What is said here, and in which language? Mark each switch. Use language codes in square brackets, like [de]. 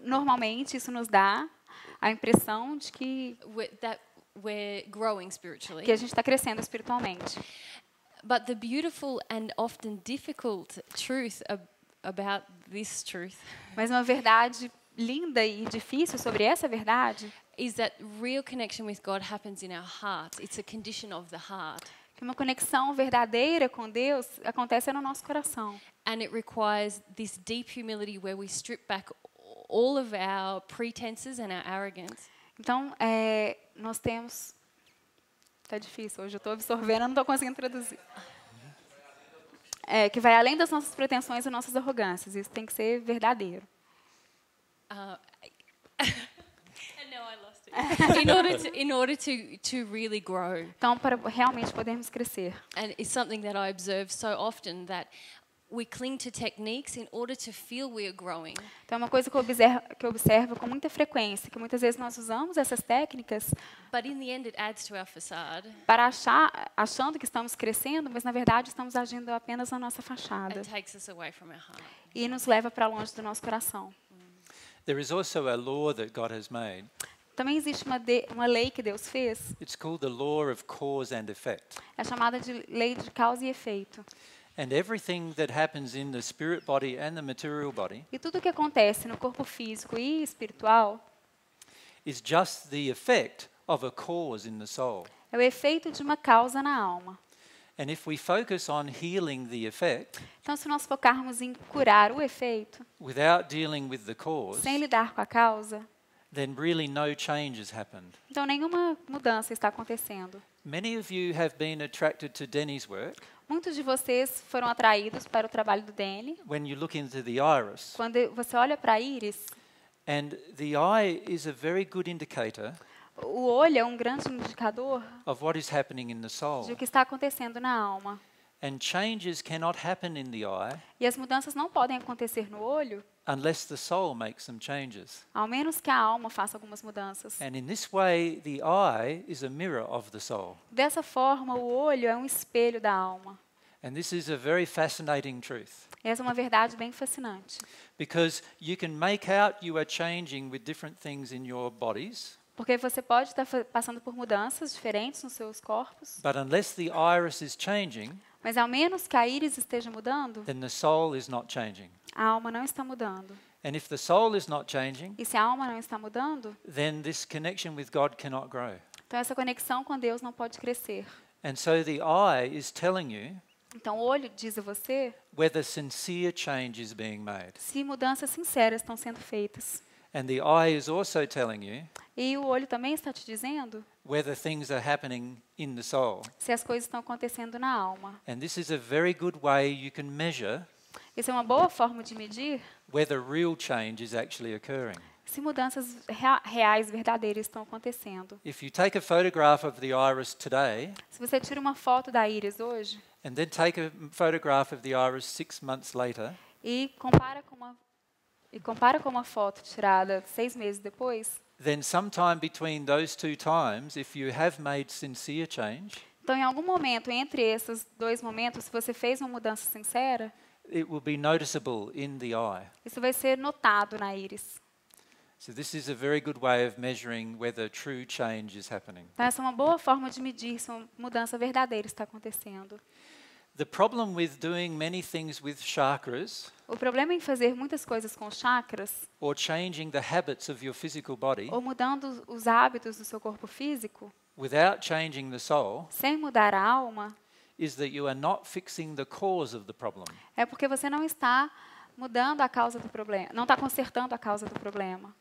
[pt] normalmente isso nos dá a impressão de que [en] we're growing spiritually. [pt] Que a gente está crescendo espiritualmente. [en] But the beautiful and often difficult truth about this truth. [pt] Mas uma verdade linda e difícil sobre essa verdade [en] is that real connection with God happens in our heart. It's a condition of the heart. [pt] Que uma conexão verdadeira com Deus acontece no nosso coração. [en] And it requires this deep humility where we strip back all of our pretenses and our arrogance. [pt] Então, nós temos tá difícil hoje, eu tô absorvendo, não tô conseguindo traduzir. Que vai além das nossas pretensões e nossas arrogâncias. Isso tem que ser verdadeiro. [en] In order to really grow. [pt] Então, para realmente podermos crescer. [en] And it's something that I observe so often that we cling to techniques in order to feel we are growing. [pt] Então, é uma coisa que eu observo com muita frequência, que muitas vezes nós usamos essas técnicas. [en] But in the end, it adds to our facade. [pt] Para achando que estamos crescendo, mas na verdade estamos agindo apenas na nossa fachada. [en] It takes us away from our heart. [pt] E nos leva para longe do nosso coração. [en] There is also a law that God has made. [pt] Também existe uma lei que Deus fez. [en] It's called the law of cause and effect. [pt] É chamada de lei de causa e efeito. [en] And everything that happens in the spirit body and the material body. [pt] E tudo o que acontece no corpo físico e espiritual. [en] Is just the effect of a cause in the soul. [pt] É o efeito de uma causa na alma. [en] And if we focus on healing the effect. [pt] Então, se nós focarmos em curar o efeito. [en] Without dealing with the cause. [pt] Sem lidar com a causa. [en] then really no change has happened. [pt] Então nenhuma mudança está acontecendo. [en] Many of you have been attracted to Denny's work. [pt] Muitos de vocês foram atraídos para o trabalho do Denny. [en] When you look into the iris. [pt] Quando você olha para a íris. [en] And the eye is a very good indicator. [pt] O olho é um grande indicador. [en] Of what is happening in the soul. [pt] De o que está acontecendo na alma. [en] And changes cannot happen in the eye. [pt] E as mudanças não podem acontecer no olho. [en] Unless the soul makes some changes. [pt] Ao menos que a alma faça algumas mudanças. [en] And in this way, the eye is a mirror of the soul. [pt] Dessa forma, o olho é um espelho da alma. [en] And this is a very fascinating truth. [pt] Essa é uma verdade bem fascinante. [en] Because you can make out you are changing with different things in your bodies. [pt] Porque você pode estar passando por mudanças diferentes nos seus corpos. [en] But unless the iris is changing. [pt] Mas ao menos que a íris esteja mudando. [en] Then the soul is not changing. [pt] A alma não está mudando. [en] And if the soul is not changing, [pt] e se a alma não está mudando, [en] then this connection with God cannot grow. [pt] Então essa conexão com Deus não pode crescer. [en] And so the eye is telling you, [pt] então o olho diz a você, [en] whether sincere change is being made. [pt] Se mudanças sinceras estão sendo feitas. [en] And the eye is also telling you, [pt] e o olho também está te dizendo, [en] whether things are happening in the soul. [pt] Se as coisas estão acontecendo na alma. [en] And this is a very good way you can measure. [pt] Essa é uma boa forma de medir [en] whether real change is actually occurring. [pt] Se mudanças reais, verdadeiras estão acontecendo. [en] If you take a photograph of the iris today, [pt] se você tira uma foto da íris hoje, [en] and then take a photograph of the iris 6 months later, [pt] e compara com uma foto tirada 6 meses depois, [en] then sometime between those two times, if you have made sincere change, [pt] então em algum momento entre esses dois momentos, se você fez uma mudança sincera, [en] it will be noticeable in the eye. [pt] Isso vai ser notado na íris. [en] So this is a very good way of measuring whether true change is happening. [pt] Essa é uma boa forma de medir se uma mudança verdadeira está acontecendo. [en] The problem with doing many things with chakras. [pt] O problema em fazer muitas coisas com chakras. [en] Or changing the habits of your physical body. [pt] Ou mudando os hábitos do seu corpo físico. [en] Without changing the soul. [pt] Sem mudar a alma. [en] Is that you are not fixing the cause of the problem. [pt] É porque você não está mudando a causa do problema, não está consertando a causa do problema.